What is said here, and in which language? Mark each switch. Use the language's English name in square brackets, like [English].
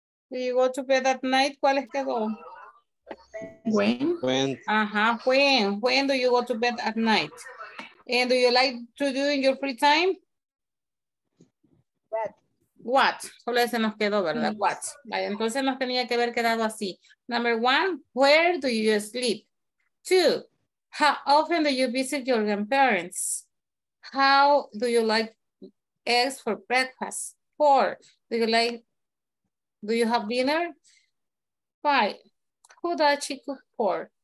[English] Do you go to bed at night? [Spanish] ¿Cuál es que go? [English] When? Ajá, when. When do you go to bed at night? And do you like to do in your free time? What? [Spanish] Solo ese nos quedó, ¿verdad? Mm-hmm. What? Vale, entonces nos tenía que haber quedado así. [English] Number one, where do you sleep? Two, how often do you visit your grandparents? How do you like eggs for breakfast? Four, do you have dinner? Five, who does she cook for?